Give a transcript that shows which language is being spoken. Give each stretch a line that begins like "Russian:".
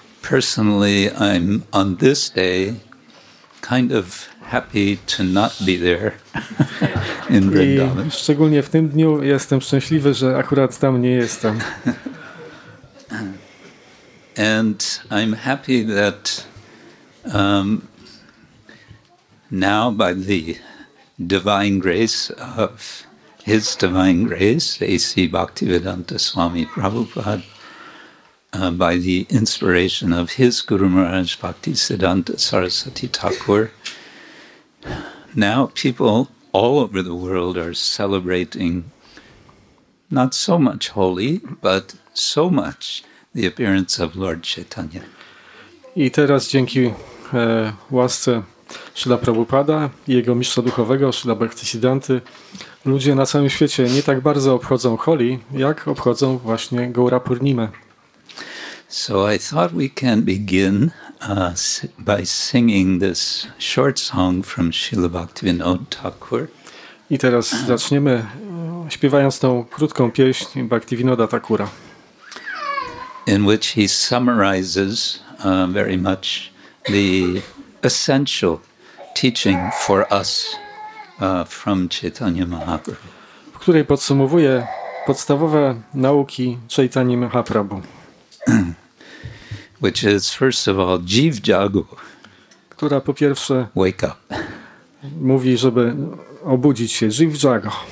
English: Personally, I'm on this day kind of happy to not be there in Vrindavan.
Polish: I szczególnie w tym dniu jestem szczęśliwy, że akurat tam nie jestem.
English: And I'm happy that now by the divine grace of His divine grace, A.C. Bhaktivedanta Swami Prabhupada, by the inspiration of His Guru Maharaj Bhaktisiddhanta Sarasvati Thakur, now people all over the world are celebrating not so much Holi, but so much the appearance of Lord Chaitanya.
Polish: I teraz dzięki łasce Śrila Prabhupada i jego mistrza duchowego, Śrila Bhaktisiddhanty, ludzie na całym świecie nie tak bardzo obchodzą Holi, jak obchodzą właśnie Gaura Purnimę.
English: So I thought we can begin by singing this short song from Śrila Bhaktivinoda Thakur.
Polish: I teraz zaczniemy śpiewając tą krótką pieśń Bhaktivinoda Thakura.
English: In which he summarizes very much the essential teaching for us from Chaitanya Mahaprabhu.
Polish: W której podsumowuje podstawowe nauki Chaitanya Mahaprabhu.
English: Which is first of all jiv jagu.
Polish: Która po pierwsze
English: wake up.
Polish: Mówi, żeby obudzić się, jiv jagu.